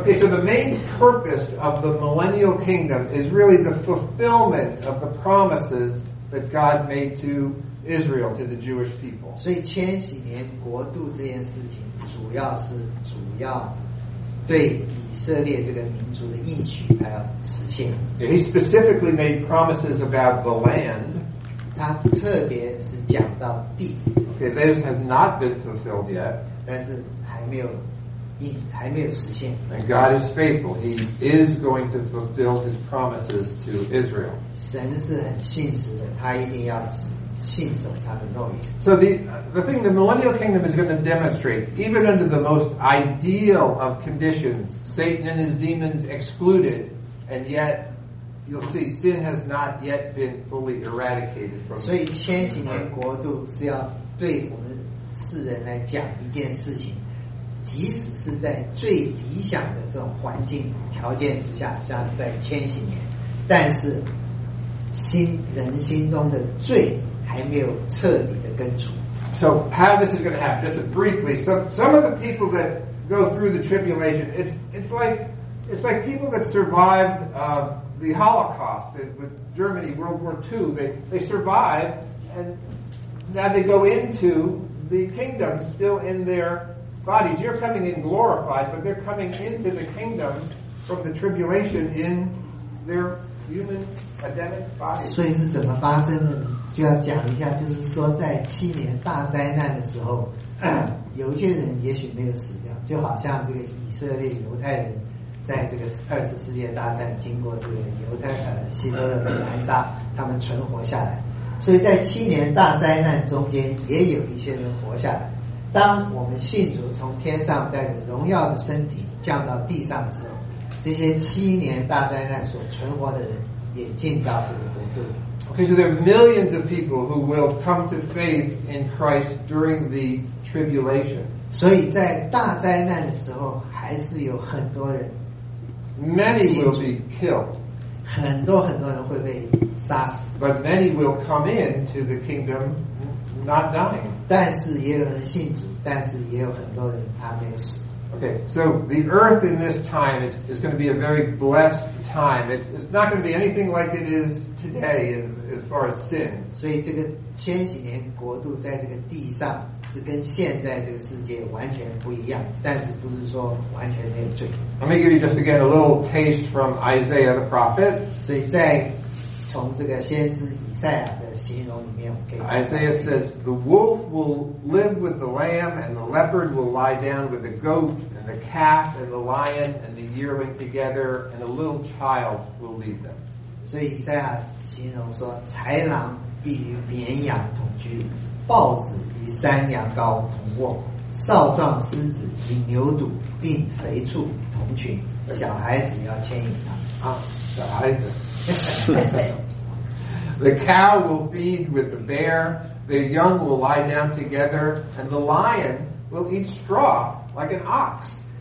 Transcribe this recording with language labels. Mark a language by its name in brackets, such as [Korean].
[English] Okay, so the main purpose of the millennial kingdom is really the fulfillment of the promises that God made to Israel, to the Jewish people. [Chinese] 所以千禧年国度这件事情，主要对以色列这个民族的应许，他要实现。 [English] He specifically made promises about the land. [Chinese] 他特别是讲到地。 [English] Okay, those have not been fulfilled yet. [Chinese] 但是还没有实现。 [English] And God is faithful. He is going to fulfill His promises to Israel. [Chinese] 神是很信实的，他一定要信守他的诺言。 [English] So the thing, the millennial kingdom is going to demonstrate, even under the most ideal of conditions, Satan and his demons excluded, and yet you'll see sin has not yet been fully eradicated from. [Chinese] 所以千禧年国度是要对我们世人来讲一件事情。即使是在最理想的这种环境条件之下，像在千禧年，但是人心中的罪还没有彻底的根除。 [English] So how this is going to happen? Just briefly, some of the people that go through the tribulation, it's like people that survived the Holocaust with Germany, World War II. They survived, and now they go into the kingdom still in their bodies. You're coming in glorified, but they're coming into the kingdom from the tribulation in their human Adamic bodies. [Chinese] 所以是怎么发生的？就要讲一下，就是说在七年大灾难的时候，有些人也许没有死掉，就好像这个以色列犹太人在这个二次世界大战经过这个犹太希特勒的残杀，他们存活下来。所以在七年大灾难中间，也有一些人活下来。当我们信徒从天上带着荣耀的身体降到地上之后，这些七年大灾难所存活的人也进到这个国度。 [English] Okay, so there are millions of people who will come to faith in Christ during the tribulation. [Chinese] 所以在大灾难的时候，还是有很多人。 [English] Many will be killed. [Chinese] 很多很多人会被杀死。 [English] But many will come in to the kingdom not dying. [Chinese] 但是也有人信主，但是也有很多人他没有死。 [English] Okay, so the earth in this time is going to be a very blessed time. It's not going to be anything like it is today as far as sin. [Chinese] 所以这个千禧年国度在这个地上是跟现在这个世界完全不一样，但是不是说完全没有罪。 [English] Let me give you just again a little taste from Isaiah the prophet. [Chinese] 所以再从这个先知以赛亚的形容里面，我们可以 [English] Isaiah says the wolf will live with the lamb, and the leopard will lie down with the goat, and the calf and the lion and the yearling together, and a little child will lead them. [Chinese] 所以以赛亚形容说，豺狼必与绵羊同居，豹子与山羊羔同卧，少壮狮子与牛犊并肥畜同群，小孩子要牵引他啊，小孩子。 [English] The cow will feed with the bear, their young will lie down together, and the lion will eat straw like an ox.